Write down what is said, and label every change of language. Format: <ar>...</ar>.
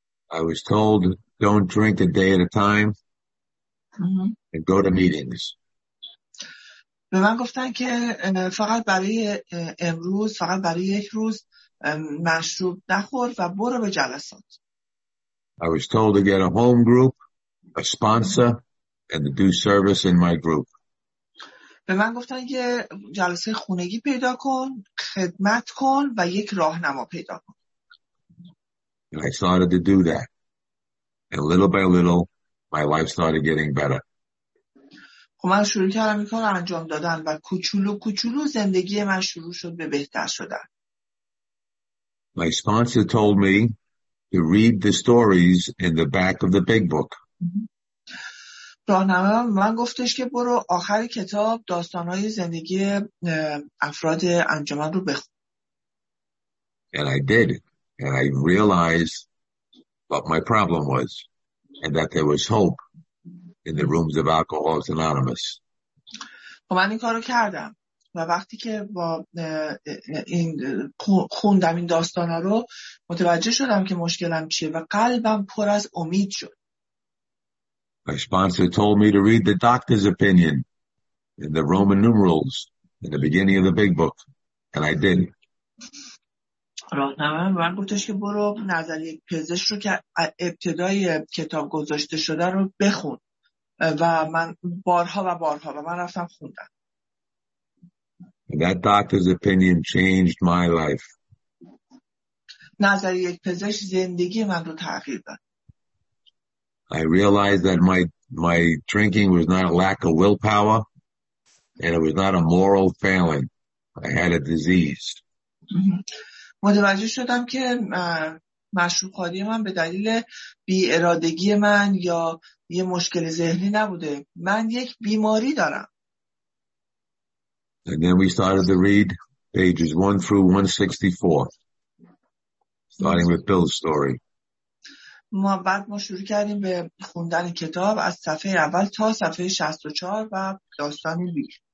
<en>I was told, don't drink a day at a time and go to meetings.</en> <fa>به من گفتن که فقط برای امروز، فقط برای یک روز مشروب نخور و برو به جلسات.</fa> <en>I was told to get a home group, a sponsor, and to do service in my group.</en> <fa>به من گفتن که جلسه خونگی پیدا کن، خدمت کن و یک راهنما پیدا کن.</fa> <en>And I started to do that. And little by little, my life started getting better.</en> <fa>خب من شروع کردم این کار انجام دادن و کوچولو کوچولو زندگی من شروع شد به بهتر شدن.</fa> <en>My sponsor told me to read the stories in the back of the big book.</en> <fa>راهنما من گفتش که برو آخر کتاب داستانهای زندگی افراد انجمن رو بخون.</fa> <en>And I did. And I realized what my problem was. And that there was hope in the rooms of Alcoholics Anonymous.</en> <fa>خب من این کارو کردم و وقتی که با این خوندم این داستانا رو متوجه شدم که مشکلم چیه و قلبم پر از امید شد.</fa> <en>My sponsor told me to read the doctor's opinion in the Roman numerals in the beginning of the big book, and I did.</en> <fa>راهنما من گفتش که برو نظریه پزشک رو که ابتدای کتاب گذاشته شده رو بخون و من بارها و بارها و من رفتم خوندم.</fa> <en>That doctor's opinion changed my life.</en> <fa>نظریه پزشک زندگی من رو تغییر داد.</fa> <en>I realized that my drinking was not a lack of willpower and it was not a moral failing. I had a disease.</en> <fa>متوجه شدم که مشروب خوری من به دلیل بی ارادگی من یا یه مشکل ذهنی نبوده. من یک بیماری دارم.</fa> <en>And then we started to read pages 1 through 164, starting with Bill's story.</en> <fa>ما بعد ما شروع کردیم به خوندن کتاب از صفحه اول تا صفحه 64 و داستان بیل.</fa>